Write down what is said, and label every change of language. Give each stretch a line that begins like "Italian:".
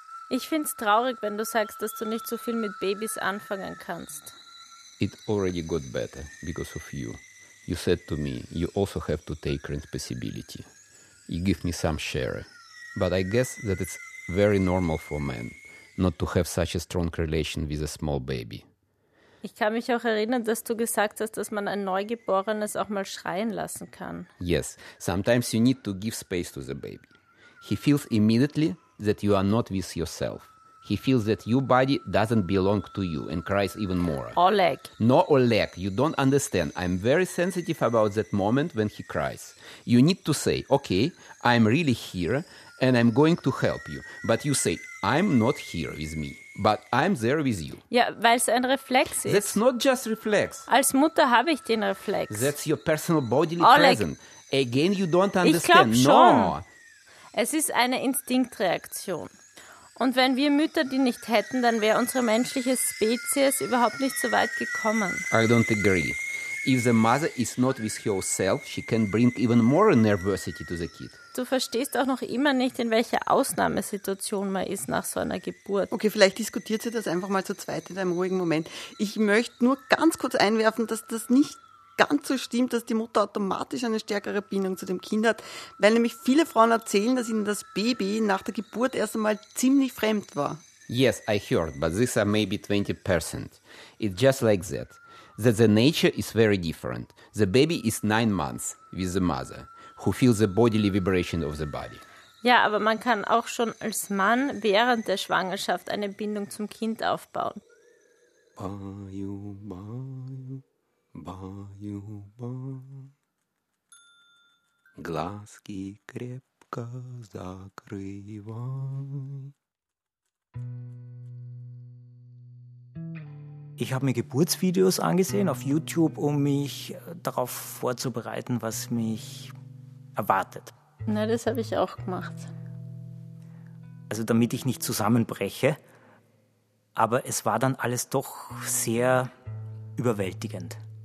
German: Ich find's traurig, wenn du sagst, dass du nicht so viel mit Babys anfangen kannst.
English: It already got better because of you. You said to me, you also have to take responsibility. You give me some share. But I guess that it's very normal for men not to have such a strong relation with a small baby.
German: Ich kann mich auch erinnern, dass du gesagt hast, dass man ein Neugeborenes auch mal schreien lassen kann.
English: Yes, sometimes you need to give space to the baby. He feels immediately that you are not with yourself. He feels that your body doesn't belong to you and cries even more. Oleg. No, Oleg, you don't understand. I'm very sensitive about that moment when he cries. You need to say, okay, I'm really here and I'm going to help you. But you say, I'm not here with me, but I'm there with you.
German: Ja, weil es ein Reflex ist.
English: That's not just reflex.
German: Als Mutter habe ich den Reflex.
English: That's your personal bodily Oleg. Present. Again, you don't understand.
German: Ich glaub schon.
English: No.
German: Es ist eine Instinktreaktion. Und wenn wir Mütter die nicht hätten, dann wäre unsere menschliche Spezies überhaupt nicht so weit gekommen.
English: I don't agree. If the mother is not with herself, she can bring even more nervosity to the kid.
German: Du verstehst auch noch immer nicht, in welcher Ausnahmesituation man ist nach so einer Geburt. Okay, vielleicht diskutiert sie das einfach mal zu zweit in einem ruhigen Moment. Ich möchte nur ganz kurz einwerfen, dass das nicht ganz so stimmt, dass die Mutter automatisch eine stärkere Bindung zu dem Kind hat, weil nämlich viele Frauen erzählen, dass ihnen das Baby nach der Geburt erst einmal ziemlich fremd war.
English: Yes, I heard, but these are maybe 20%. It's just like that. That the nature is very different. The baby is 9 months with the mother, who feels the bodily vibration of the body.
German: Ja, aber man kann auch schon als Mann während der Schwangerschaft eine Bindung zum Kind aufbauen.
Russian: Bayou, bayou. Баю, ба, глазки крепко закрывай.
German: Ich habe mir Geburtsvideos angesehen auf YouTube, um mich darauf vorzubereiten, was mich erwartet. Na, das habe ich auch gemacht. Also damit ich nicht zusammenbreche, aber es war dann alles doch sehr überwältigend.